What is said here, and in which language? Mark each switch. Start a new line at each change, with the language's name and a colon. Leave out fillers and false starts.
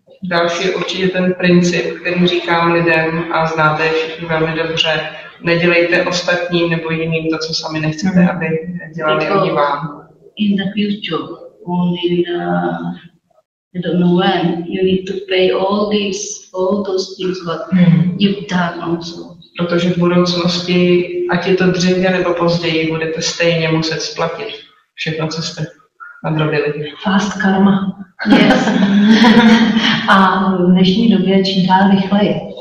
Czech: Další je určitě ten princip, který říkám lidem a znáte všichni velmi dobře. Nedělejte ostatním nebo jiným to, co sami nechcete, aby dělali oni vám.
English: In the future, only in the, I don't know when, you need to pay all those things what you've done also.
Czech: Protože v budoucnosti, ať je to dříve nebo později, budete stejně muset splatit všechno, co jste nadrobili.
English: Fast karma. Yes.
Czech: A v dnešní době čím dál rychleji.